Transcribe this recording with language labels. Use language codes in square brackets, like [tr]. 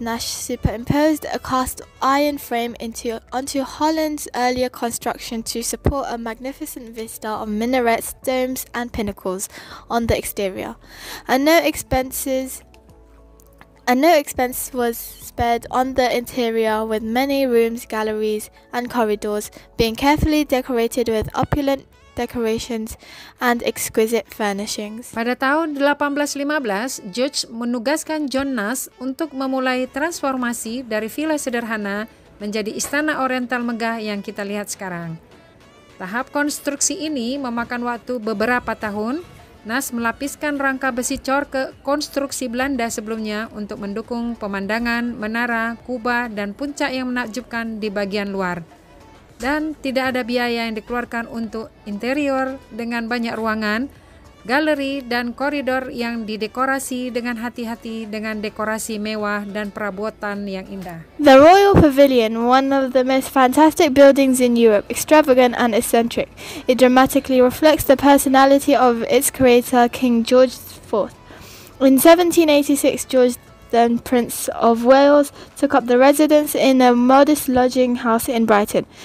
[en] Nash superimposed a cast iron frame onto Holland's earlier construction to support a magnificent vista of minarets, domes and pinnacles on the exterior. And no expense was spared on the interior, with many rooms, galleries and corridors being carefully decorated with opulent decorations and exquisite furnishings. [id] Pada tahun 1815, George menugaskan John Nash untuk memulai transformasi dari villa sederhana menjadi istana oriental megah yang kita lihat sekarang. Tahap konstruksi ini memakan waktu beberapa tahun. Nash melapiskan rangka besi cor ke konstruksi Belanda sebelumnya untuk mendukung pemandangan menara, kubah, dan puncak yang menakjubkan di bagian luar. Dan tidak ada biaya yang dikeluarkan untuk interior dengan banyak ruangan, galeri, dan koridor yang didekorasi dengan hati-hati dengan dekorasi mewah dan perabotan yang indah. [en] The Royal Pavilion, one of the most fantastic buildings in Europe, extravagant and eccentric. It dramatically reflects the personality of its creator, King George IV. In 1786, George then Prince of Wales took up the residence in a modest lodging house in Brighton.